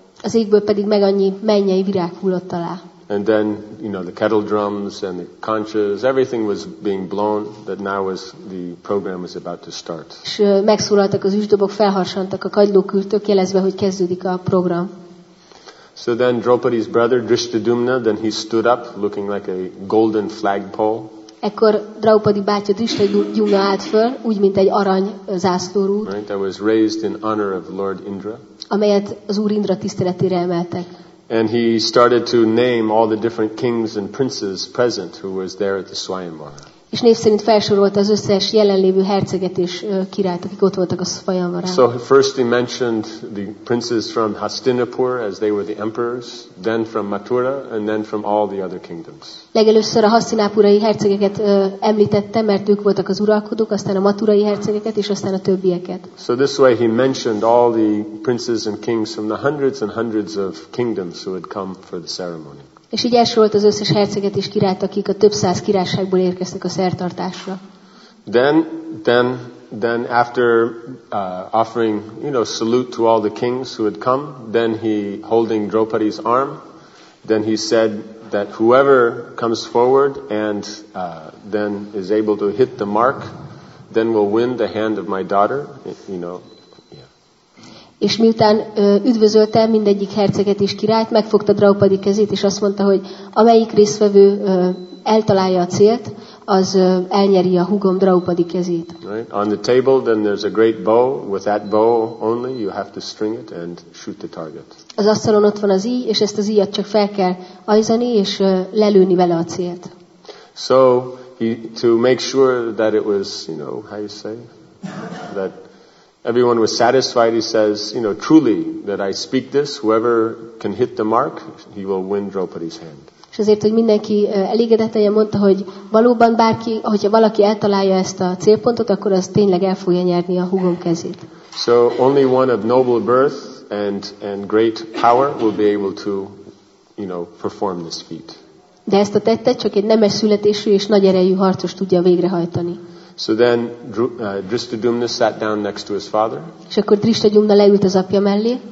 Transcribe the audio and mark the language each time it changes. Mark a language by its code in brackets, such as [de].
[hu] Az égből pedig meg annyi mennyei virág hullott alá. [en] And then, you know, the kettle drums and the conches, everything was being blown. That now was the program was about to start. [hu] És megszólaltak az üsdobok, felharsantak a kagylókürtök, jelezve, hogy kezdődik a program. [en] So then Draupadi's brother Drishtadyumna, then he stood up looking like a golden flagpole. [hu] Ekkor Draupadi bátya Drishtadyumna állt föl, úgy mint egy arany zászlórúd. [en] Right, that was raised in honor of Lord Indra. [hu] Amelyet az Úr Indra tiszteletére emeltek. [en] And he started to name all the different kings and princes present who was there at the Swayamvara. [hu] És név szerint felsorolt az összes jelenlévő herceget és királyt, akik ott voltak a Swayamvarán. [en] So first he mentioned the princes from Hastinapur as they were the emperors, then from Mathura, and then from all the other kingdoms. [hu] Legelőször a hasztinápurai hercegeket említette, mert ők voltak az uralkodók, aztán a maturai hercegeket, és aztán a többieket. [en] So this way he mentioned all the princes and kings from the hundreds and hundreds of kingdoms who had come for the ceremony. [hu] És így elsorolt az összes herceget és királyt, akik a több száz királyságból érkeztek a szertartásra. [en] Then after offering, you know, salute to all the kings who had come, then he holding Draupadi's arm, then he said that whoever comes forward and then is able to hit the mark, then will win the hand of my daughter, you know. [hu] És miután üdvözölte mindegyik herceget és királyt, megfogta Draupadi kezét, és azt mondta, hogy amelyik résztvevő eltalálja a célt, az elnyeri a húgom Draupadi kezét. Right. [en] On the table then there's a great bow. With that bow only you have to string it and shoot the target. [hu] Az asztalon ott van az íj, és ezt az íjat csak fel kell ajzani és lelőni vele a célt. [en] So he, to make sure that it was, you know, how you say, that everyone was satisfied, he says, you know, truly that I speak this, whoever can hit the mark, he will win Draupadi's hand. [hu] És azért, hogy mindenki elégedett legyen, mondta, hogy valóban bárki, hogyha valaki eltalálja ezt a célpontot, akkor az tényleg el fogja nyerni a húgom kezét. [en] So only one of noble birth and great power will be able to, you know, perform this feat. [hu] De ezt a tettet csak egy nemes születésű és nagy erejű harcos tudja végrehajtani. [en] So then Drishtadyumna sat down next to his father. [hu] És akkor Drishtadyumna leült az apja mellé.